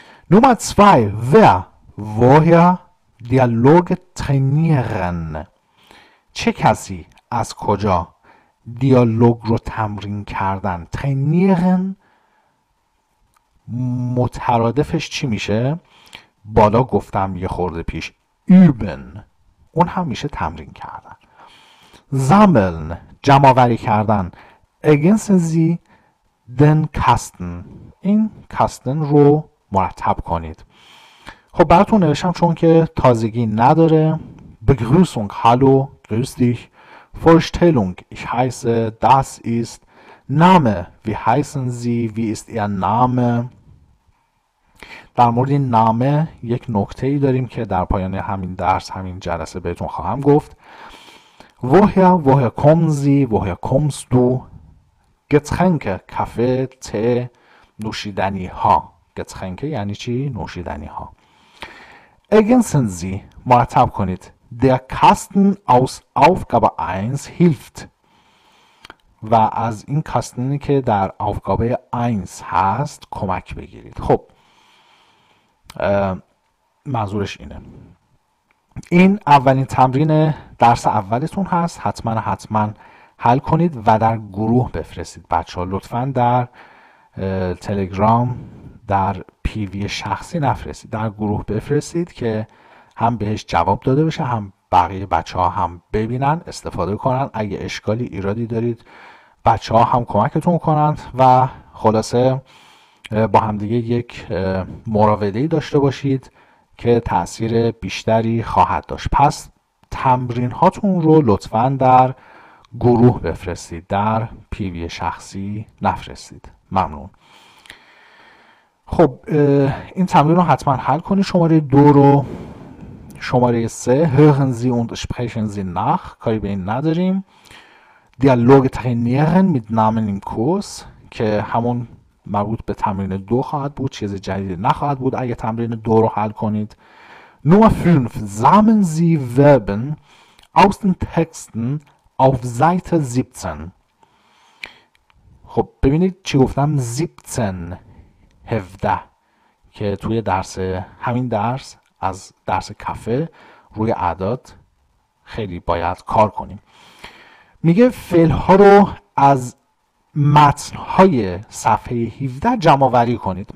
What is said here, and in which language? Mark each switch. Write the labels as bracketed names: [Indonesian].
[German] نمبر 2 و woher دیالوگ ترینیرن. [Persian] چه کسی از کجا دیالوگ رو تمرین کردن؟ ترینیرن مترادفش چی میشه؟ بالا گفتم یه خورده پیش üben. اون هم میشه تمرین کردن. sammeln جمع‌آوری کردن. against sie [German] den Kasten. [Persian] این کاستن رو مرتب کنید. خب براتون نوشتم چون که تازگی نداره. [German] Begrüßung, hallo, grüß dich. Vorstellung, ich heiße, das ist. Name, wie heißen Sie, wie ist Ihr Name? [Persian] در مورد نامه یک نکته ای داریم که در پایان همین درس همین جلسه بهتون خواهم گفت. [German] Woher kommst du? [Persian] Getränke, کافه، ته، نوشیدنی ها. Getränke یعنی چی؟ نوشیدنی ها. [German] Ergänzen Sie, [Persian] مرتب کنید. [German] Der Kasten aus Aufgabe 1 hilft. [Persian] و از این کاستنی که در Aufgabe 1 هست کمک بگیرید. خب منظورش اینه. این اولین تمرین درس اولتون هست، حتما حتما حل کنید و در گروه بفرستید. بچه ها لطفا در تلگرام در پیوی شخصی نفرستید، در گروه بفرستید که هم بهش جواب داده بشه، هم بقیه بچه ها هم ببینن استفاده کنن. اگه اشکالی ایرادی دارید بچه ها هم کمکتون کنند و خلاصه با همدیگه یک مراودهی داشته باشید که تأثیر بیشتری خواهد داشت. پس تمرین هاتون رو لطفاً در گروه بفرستید، در پیوی شخصی نفرستید. ممنون. خب این تمرین رو حتما حل کنید. شماره دو رو شماره سه [German] Hören Sie und sprechen Sie nach. [Persian] کاری به این نداریم. [German] Dialog trainieren mit Namen im Kurs [Persian] که همون مربوط به تمرین دو خواهد بود، چیز جدیدی نخواهد بود اگه تمرین دو رو حل کنید. [German] Nummer 5. Sammeln Sie Verben aus den Texten auf Seite 17. [Persian] خب ببینید چی گفتم. 17 17 که توی درس همین درس از درس کافه روی اعداد خیلی باید کار کنیم. میگه فعل ها رو از متن های صفحه 17 جمع آوری کنید.